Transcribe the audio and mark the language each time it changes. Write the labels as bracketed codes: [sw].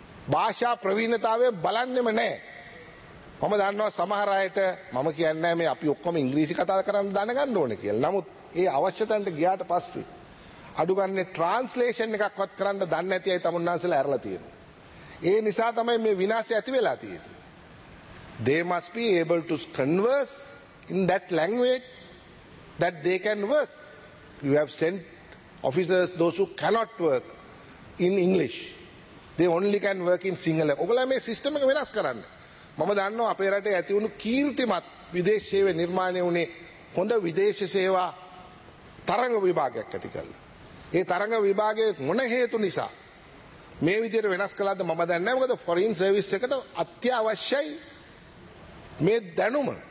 [si] භාෂා ප්‍රවීණතාවය බලන්නෙම නැහැ. මම දන්නවා සමහර අයට මම කියන්නේ මේ අපි ඔක්කොම ඉංග්‍රීසි කතා කරන්න දැනගන්න ඕනේ කියලා. නමුත් ඒ අවශ්‍යතන්ට ගියාට පස්සේ අඩු ගන්න ට්‍රාන්ස්ලේෂන් එකක්වත් කරන්න දන්නේ නැති අය තමුන්නාන්සලා ඇරලා තියෙනවා. ඒ නිසා තමයි මේ විනාශය ඇති වෙලා තියෙන්නේ. [en] They must be able to converse in that language that they can work. You have sent officers, those who cannot work in English, they only can work in Sinhala. [si] ඔගොල්ලෝ මේ සිස්ටම් එක වෙනස් කරන්න. මම දන්නවා අපේ රටේ ඇති වුණු කීර්තිමත් විදේශ සේවය නිර්මාණය වුණේ හොඳ විදේශ සේවා තරඟ විභාගයක් ඇති කළා. ඒ තරඟ විභාගයේ මොන හේතු නිසා මේ විදිහට වෙනස් කළාද මම දන්නේ නැහැ. මොකද ෆොරින් සර්විස් එකට අත්‍යවශ්‍යයි මේ දැනුම.